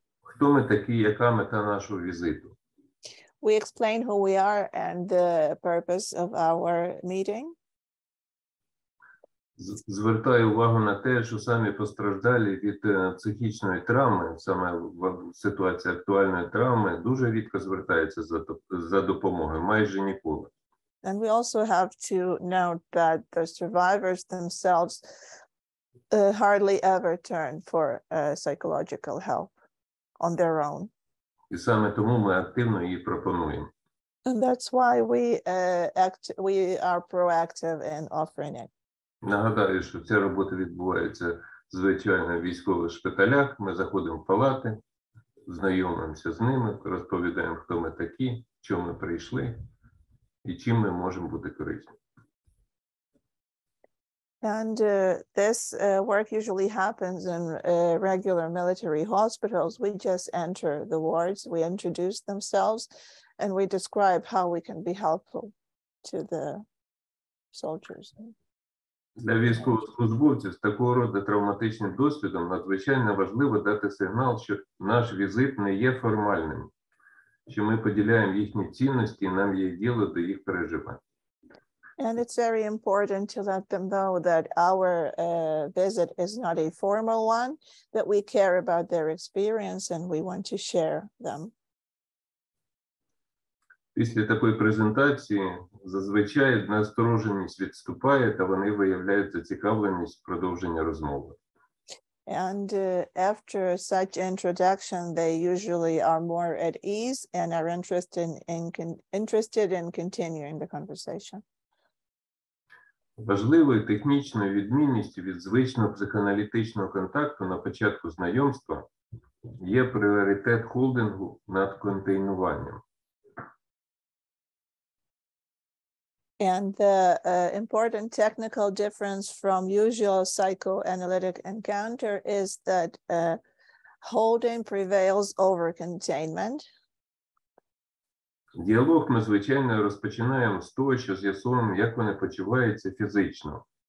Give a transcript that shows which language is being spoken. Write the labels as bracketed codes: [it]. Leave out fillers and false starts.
[uk] Хто ми такі, яка мета нашого візиту? [en] We explain who we are and the purpose of our meeting. [uk] Звертаю увагу на те, що самі постраждалі від психічної травми, саме в ситуації актуальної травми, дуже рідко звертаються за допомогою, майже ніколи. [en] And we also have to note that the survivors themselves hardly ever turn for psychological help on their own. [uk] І саме тому ми активно її пропонуємо. [en] And that's why we are proactive in offering it. [uk] Нагадаю, що ця робота відбувається звичайно в військових шпиталях. Ми заходимо в палати, знайомимося з ними, розповідаємо, хто ми такі, чому ми прийшли і чим ми можемо бути корисні. [en] And this work usually happens in regular military hospitals. We just enter the wards, we introduce themselves, and we describe how we can be helpful to the soldiers. [uk] Для військовослужбовців з такого роду травматичним досвідом надзвичайно важливо дати сигнал, що наш візит не є формальним, що ми поділяємо їхні цінності і нам є діло до їх переживань. [en] And it's very important to let them know that our visit is not a formal one, that we care about their experience and we want to share them. [uk] Після такої презентації зазвичай настороженість відступає, та вони виявляють зацікавленість продовження розмови. [en] And after such introduction, they usually are more at ease and are interested in continuing the conversation. [uk] Важливою технічною відмінністю від звичного психоаналітичного контакту на початку знайомства є пріоритет холдингу над контейнуванням. [en] And the important technical difference from usual psychoanalytic encounter is that holding prevails over containment. [uk] Діалог ми, звичайно, розпочинаємо з того, що з'ясуємо, як вони почуваються фізично.